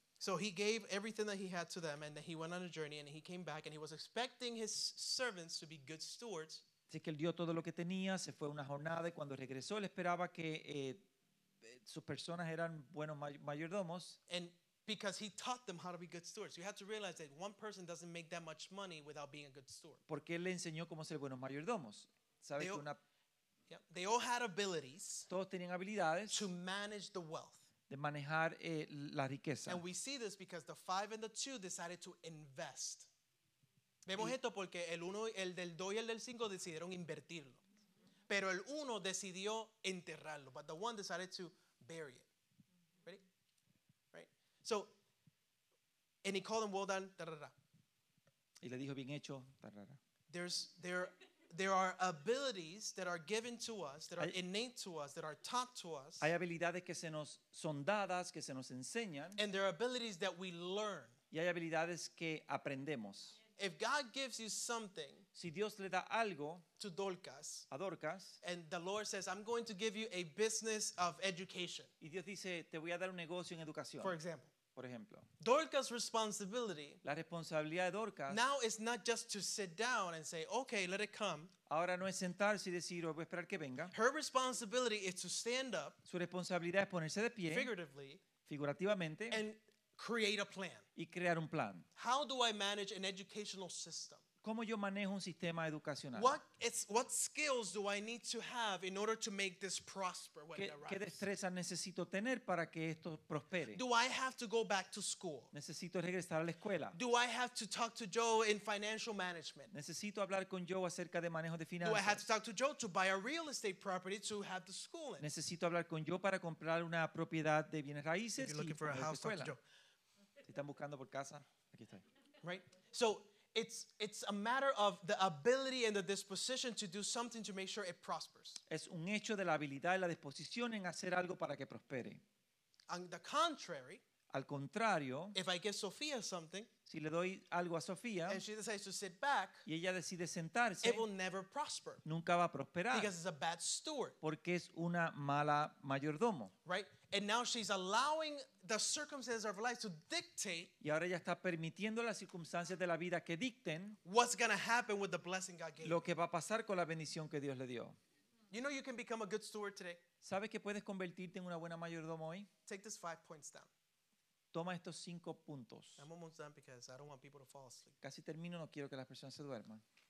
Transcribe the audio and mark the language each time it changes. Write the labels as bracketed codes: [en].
[en] So he gave everything that he had to them, and then he went on a journey, and he came back, and he was expecting his servants to be good stewards. [es] Así que él dio todo lo que tenía, se fue una jornada, y cuando regresó, él esperaba que sus personas eran buenos mayordomos. [en] And because he taught them how to be good stewards. You have to realize that one person doesn't make that much money without being a good steward. [es] Porque él le enseñó cómo ser buenos mayordomos. ¿Sabes? [en] They all had abilities. [es] Todos tenían habilidades. [en] To manage the wealth. [es] De manejar la riqueza. [en] And we see this because the five and the two decided to invest. [es] Vemos esto porque el uno, el del dos y el del cinco decidieron invertirlo. Pero el uno decidió enterrarlo. [en] But the one decided to bury it. Ready? Right? So, and he called him well done. Tarara. [es] Y le dijo bien hecho. Tarara. [en] There are abilities that are given to us, that are innate to us, that are taught to us. [es] Hay habilidades que se nos son dadas, que se nos enseñan. [en] And there are abilities that we learn. [es] Y hay habilidades que aprendemos. [en] If God gives you something, [es] si Dios le da algo, [en] to Dorcas, [es] a Dorcas, [en] and the Lord says, I'm going to give you a business of education. [es] Y Dios dice, te voy a dar un negocio en educación. [en] For example. [es] Por ejemplo, [en] Dorcas' responsibility, [es] la responsabilidad de Dorcas, [en] now is not just to sit down and say, okay, let it come. [es] Ahora no es sentarse y decir, voy a esperar que venga. [en] Her responsibility is to stand up, [es] su responsabilidad es ponerse de pie, [en] figuratively, [es] figurativamente, [en] and create a plan. [es] Y crear un plan. [en] How do I manage an educational system? [es] ¿Cómo yo manejo un sistema educacional? [en] What skills do I need to have in order to make this prosper when it arrives? [es] ¿Qué destrezas necesito tener para que esto prospere? [en] Do I have to go back to school? [es] ¿Necesito regresar a la escuela? [en] Do I have to talk to Joe in financial management? [es] ¿Necesito hablar con Joe acerca de manejo de finanzas? [en] Do I have to talk to Joe to buy a real estate property to have the school in? [es] ¿Necesito hablar con Joe para comprar una propiedad de bienes raíces? [en] If you're looking for a house, talk to Joe. [es] ¿Si están buscando por casa? Aquí estoy. [en] Right? So, It's a matter of the ability and the disposition to do something to make sure it prospers. [es] Es un hecho de la habilidad y la disposición en hacer algo para que prospere. [en] On the contrary, [es] al contrario, [en] if I give Sofía something, [es] si le doy algo a Sofía, [en] and she decides to sit back, [es] y ella decide sentarse, [en] it will never prosper. [es] Nunca va a prosperar. [en] Because it's a bad steward. [es] Porque es una mala mayordomo. [en] Right? And now she's allowing the circumstances of life to dictate. [es] Y ahora ella está permitiendo las circunstancias de la vida que dicten. [en] What's going to happen with the blessing God gave? [es] Lo que va a pasar con la bendición que Dios le dio. [en] You know you can become a good steward today. [es] ¿Sabes que puedes convertirte en una buena mayordomo hoy? [en] Take these 5 points down. [es] Toma estos 5 puntos. [en] I'm almost done because I don't want people to fall asleep. [es] Casi termino, no quiero que las personas se duerman.